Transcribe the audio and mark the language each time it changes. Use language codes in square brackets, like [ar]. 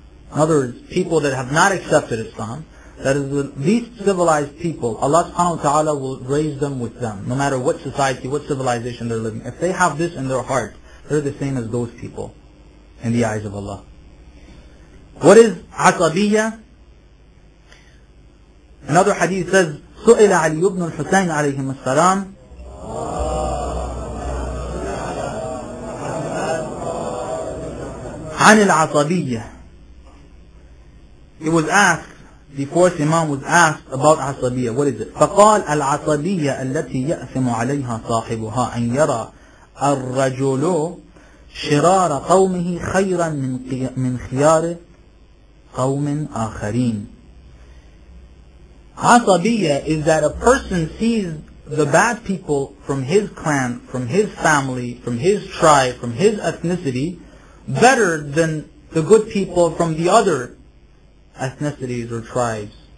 [en] In other words, people that have not accepted Islam. That is, the least civilized people, Allah subhanahu wa ta'ala will raise them with them, no matter what society, what civilization they're living. If they have this in their heart, they're the same as those people in the eyes of Allah. What is عصبية? Another hadith says, [ar] سُئِلَ عَلِيُّ بْنُ الْحُسَيْنِ عَلَيْهِمُ السَّلَامِ. عَنِ الْعَصَبِيَّةِ. [en] It was asked, the fourth Imam was asked about عصبية. What is it? [ar] فقال العصبية التي يأثم عليها صاحبها أن يرى الرجل شرار قومه خيرا من خيار قوم آخرين. [en] عصبية is that a person sees the bad people from his clan, from his family, from his tribe, from his ethnicity better than the good people from the other ethnicities or tribes.